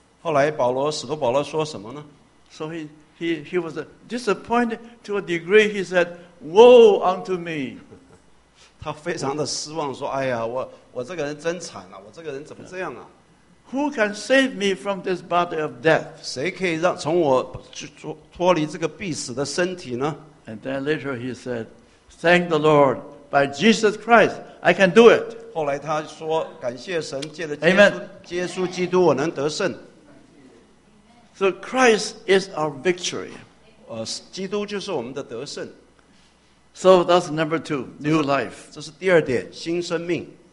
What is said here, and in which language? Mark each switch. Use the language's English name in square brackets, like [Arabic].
[Chinese] 后来保罗使徒保罗说什么呢 [English] ？So he was disappointed to a degree. He said, "Woe unto me!" [Chinese] 他非常的失望，说：“哎呀，我这个人真惨了、啊，我这个人怎么这样啊 [English] ？”Who can save me from this body of death? [Chinese] 谁可以让从我脱离这个必死的身体呢 [English] ？And then later he said, "Thank the Lord by Jesus Christ, I can do it." [Chinese] 后来他说：“感谢神，借着耶稣基督，我能得胜。” [English] So Christ is our victory. [Chinese] 基督就是我们的得胜。 [English] So that's number two, new life. [Chinese] 这是第二点，新生命。